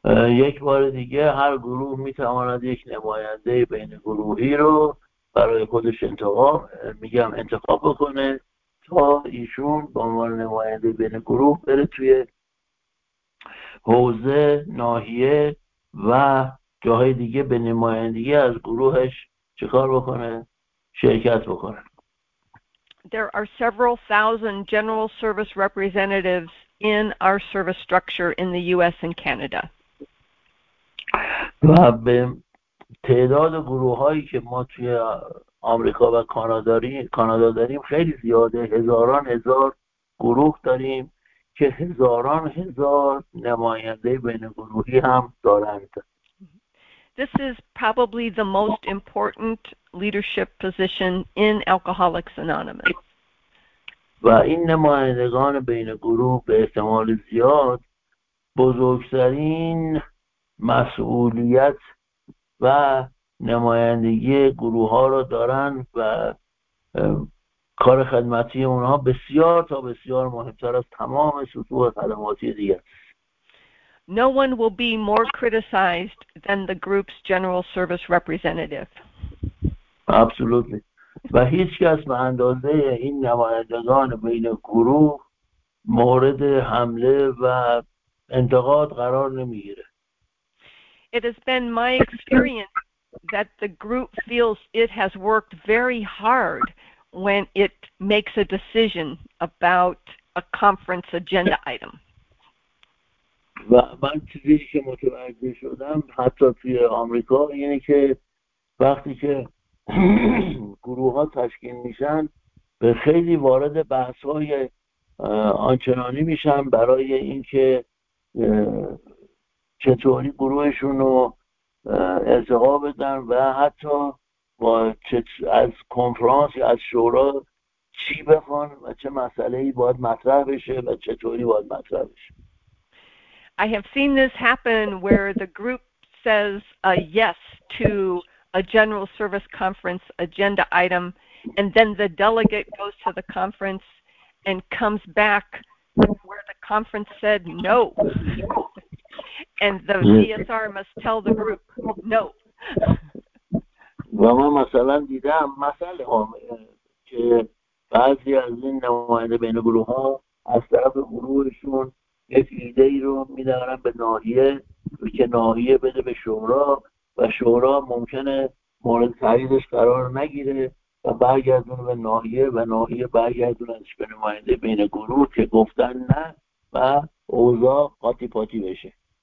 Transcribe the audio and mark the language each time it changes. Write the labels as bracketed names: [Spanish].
[Persian] یک بار دیگه هر گروه می تواند یک نماینده بین گروهی رو برای خودش انتخاب میگم انتخاب بکنه تا ایشون با عنوان نماینده بین گروه بره توی حوزه، ناحیه و جاهای دیگه به نمایندگی از گروهش چیکار بکنه؟ شرکت بکنه. [English] There are several thousand general service representatives in our service structure in the US and Canada. [Persian] و به تعداد گروه‌هایی که ما توی آمریکا و کانادا داریم خیلی زیاده، هزاران هزار گروه داریم که هزاران هزار نماینده بین گروهی هم دارند. [English] This is probably the most important leadership position in Alcoholics Anonymous. [Persian] و این نمایندگان بین گروه به احتمال زیاد بزرگترین مسئولیت و نمایندگی گروه ها رو دارن و کار خدمتی اونها بسیار تا بسیار مهمتر از تمام سطوح خدماتی دیگه. [English] No one will be more criticized than the group's general service representative. Absolutely. [Persian] و هیچ کس به اندازه این نمایندگان بین گروه مورد حمله و انتقاد قرار نمیگیره. [English] It has been my experience that the group feels it has worked very hard when it makes a decision about a conference agenda item. [Persian] و من چیزی که متوجه شدم حتی توی آمریکا اینه که وقتی که گروه ها تشکیل میشن به خیلی وارد بحث های آنچنانی میشن برای اینکه چطوری گروهشون رو ارتقا بدن و حتی با از کنفرانس یا از شورا چی بخوان و چه مسئله‌ای باید مطرح بشه و چطوری باید مطرح بشه. [English] I have seen this happen where the group says a yes to a general service conference agenda item, and then the delegate goes to the conference and comes back where the conference said no. And the CSR must tell the group no. Well, for example, I have seen that some of these groups [Persian] یک ایده ای رو میدارن به ناحیه و که ناحیه بده به شورا و شورا ممکنه مورد تاییدش قرار نگیره و برگردونه به ناحیه و ناحیه برگردونه به نماینده بین گروه که گفتن نه و اوضاع قاطی پاتی بشه.